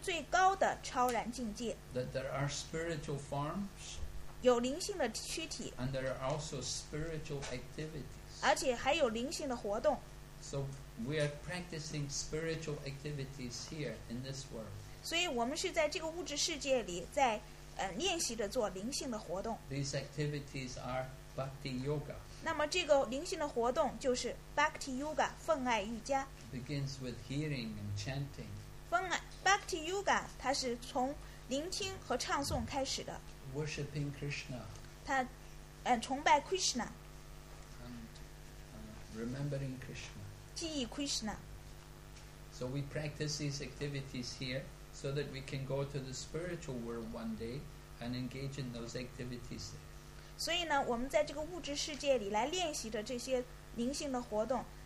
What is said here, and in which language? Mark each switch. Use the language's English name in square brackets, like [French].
[Chinese] 但是帕帕在这里解释了，这不是最高的超然境界。 [English] That there are spiritual forms, [Chinese] 有灵性的躯体。 [English] And there are also spiritual activities, [Chinese] 而且还有灵性的活动。 [English] So we are practicing spiritual activities here in this world. [Chinese] 所以我们是在这个物质世界里在练习着做灵性的活动。 [English] These activities are bhakti yoga. [Chinese] 那么这个灵性的活动就是 bhakti yoga, 奉爱瑜伽。 [English] Begins with hearing and chanting. [Chinese] Bhakti Yoga, 它是从聆听和唱诵开始的. [English] Worshipping Krishna. [Chinese] 它崇拜 Krishna. [English] And remembering Krishna. [Chinese] 记忆 Krishna. [English] So we practice these activities here so that we can go to the spiritual world one day and engage in those activities there. [Chinese] 所以呢，我们在这个物质世界里来练习着这些灵性的活动。